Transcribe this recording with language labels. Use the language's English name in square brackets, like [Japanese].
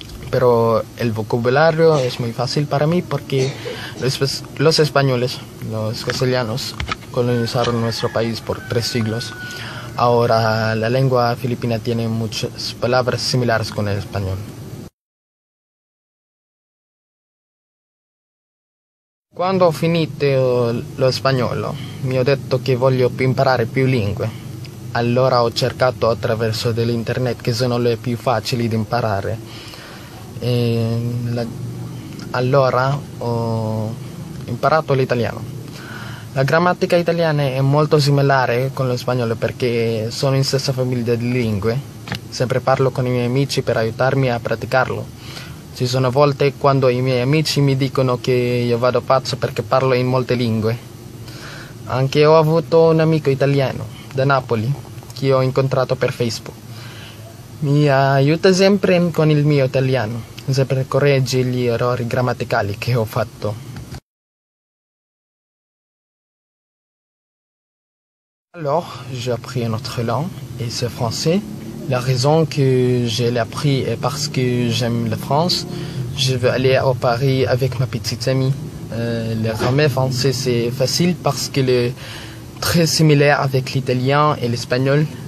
[Spanish] Pero el vocabulario es muy fácil para mí porque los españoles, los castellanos, colonizaron nuestro país por 3 siglos. Ahora, la lengua filipina tiene muchas palabras similares con el español. [Italian] Cuando finito lo spagnolo, mi ho detto che voglio imparare più lingue. Allora ho cercato attraverso dell'internet che sono le più facili da imparare. E allora ho imparato l'italiano. La grammatica italiana è molto similare con lo spagnolo perché sono in stessa famiglia di lingue. Sempre parlo con i miei amici per aiutarmi a praticarlo. Ci sono volte quando i miei amici mi dicono che io vado pazzo perché parlo in molte lingue. Anche ho avuto un amico italiano da Napoli che ho incontrato per Facebook. Mi aiuta sempre con il mio italiano, sempre corregge gli errori grammaticali che ho fatto. [French] Alors, j'ai appris une autre langue, et c'est français. La raison que je l'ai appris est parce que j'aime la France. Je veux aller à Paris avec ma petite amie. Le grammaire français, c'est facile parce qu'il est très similaire avec l'italien et l'espagnol.